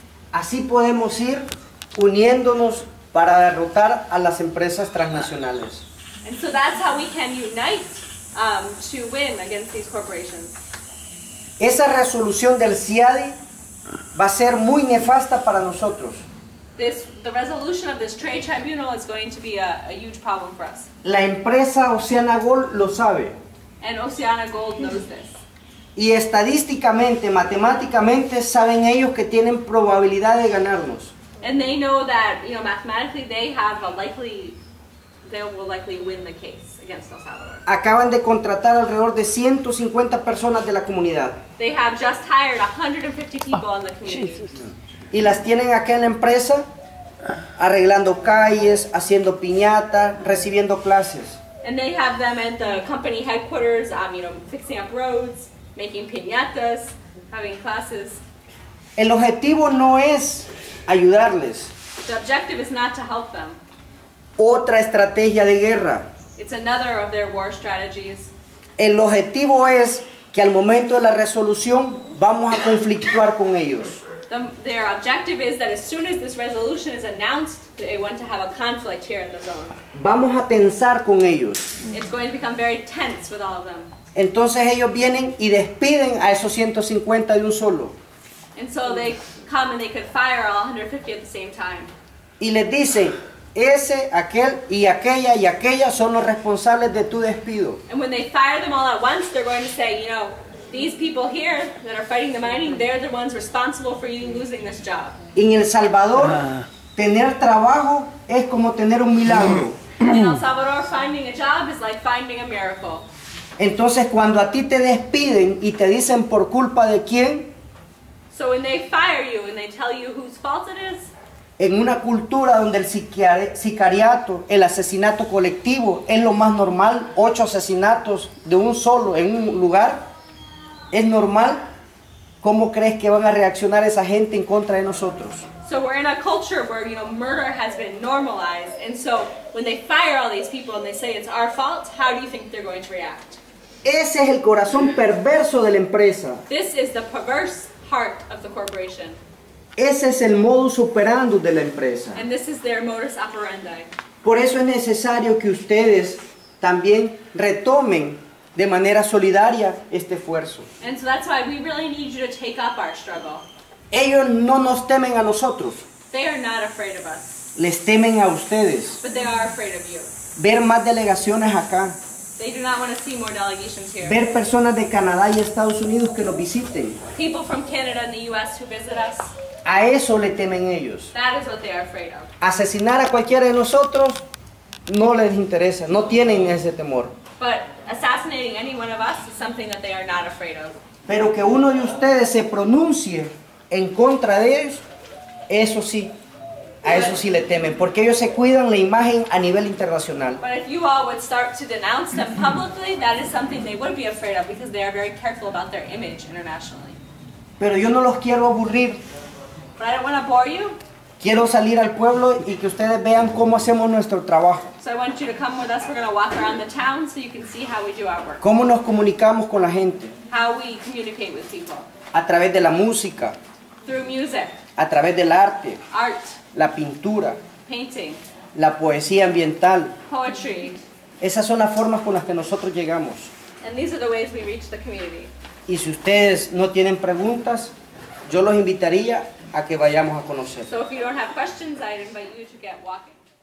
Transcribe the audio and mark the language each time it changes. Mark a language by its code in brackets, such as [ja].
[es] Así podemos ir uniéndonos para derrotar a las empresas transnacionales. [en] And so that's how we can unite to win against these corporations. [es] Esa resolución del CIADI va a ser muy nefasta para nosotros. [en] The resolution of this trade tribunal is going to be a huge problem for us. [es] La empresa Oceana Gold lo sabe. [en] And Oceana Gold knows this. [es] Y estadísticamente, matemáticamente, saben ellos que tienen probabilidad de ganarnos. [en] And they know that, you know, mathematically they have a likely, they will likely win the case against El Salvador. [es] Acaban de contratar alrededor de 150 personas de la comunidad. [en] They have just hired 150 people in the community. [es] Y las tienen acá en la empresa, arreglando calles, haciendo piñata, recibiendo clases. [en] And they have them at the company headquarters, you know, fixing up roads, making piñatas, having classes. [es] El objetivo no es ayudarles. [en] The objective is not to help them. [es] Otra estrategia de guerra. [en] It's another of their war strategies. [es] El objetivo es que al momento de la resolución vamos a conflictuar con ellos. [en] Their objective is that as soon as this resolution is announced, they want to have a conflict here in the zone. [es] Vamos a tensar con ellos. [en] It's going to become very tense with all of them. [es] Entonces ellos vienen y despiden a esos 150 de un solo. [en] And so they come and they could fire all 150 at the same time. [es] Y les dicen, ese, aquel y aquella son los responsables de tu despido. [en] And when they fire them all at once, they're going to say, you know, these people here that are fighting the mining, they're the ones responsible for you losing this job. [es] En El Salvador, tener trabajo es como tener un milagro. [en] In El Salvador, finding a job is like finding a miracle. [es] Entonces, cuando a ti te despiden y te dicen por culpa de quién. [en] So when they fire you and they tell you whose fault it is. [es] En una cultura donde el sicariato, el asesinato colectivo, es lo más normal, 8 asesinatos de un solo en un lugar, es normal, ¿cómo crees que van a reaccionar esa gente en contra de nosotros? [en] So we're in a culture where, you know, murder has been normalized, and so when they fire all these people and they say it's our fault, how do you think they're going to react? [es] Ese es el corazón perverso de la empresa. [en] This is the perverse heart of the corporation. [es] Ese es el modus operandi de la empresa. [en] And this is their modus operandi. [es] Por eso es necesario que ustedes también retomen de manera solidaria este esfuerzo. [en] And so that's why we really need you to take up our struggle. [es] Ellos no nos temen a nosotros. [en] They are not afraid of us. [es] Les temen a ustedes. [en] But they are afraid of you. [es] Ver más delegaciones acá. [en] They do not want to see more delegations here. [es] Ver personas de Canadá y Estados Unidos que nos visiten. [en] People from Canada and the US who visit us. [es] A eso le temen ellos. [en] That is what they are afraid of. [es] Asesinar a cualquiera de nosotros no les interesa, no tienen ese temor. [en] But assassinating any one of us is something that they are not afraid of. [es] Pero que uno de ustedes se pronuncie en contra de ellos, eso sí. A eso sí le temen, porque ellos se cuidan la imagen a nivel internacional. [en] But if you all would start to denounce them publicly, that is something they would be afraid of, because they are very careful about their image internationally. [es] Pero yo no los quiero aburrir. [en] But I don't want to bore you. [es] Quiero salir al pueblo y que ustedes vean cómo hacemos nuestro trabajo. [en] So I want you to come with us. We're going to walk around the town so you can see how we do our work. [es] ¿Cómo nos comunicamos con la gente? [en] How we communicate with people. [es] A través de la música. [en] Through music. [es] A través del arte. [en] Art. [es] La pintura. [en] Painting. [es] La poesía ambiental. [en] Poetry. [es] Esas son las formas con las que nosotros llegamos. [en] And these are the ways we reach the community. [es] Y si ustedes no tienen preguntas, yo los invitaría a que vayamos a conocer. [en] So if you don't have questions, I'd invite you to get walking.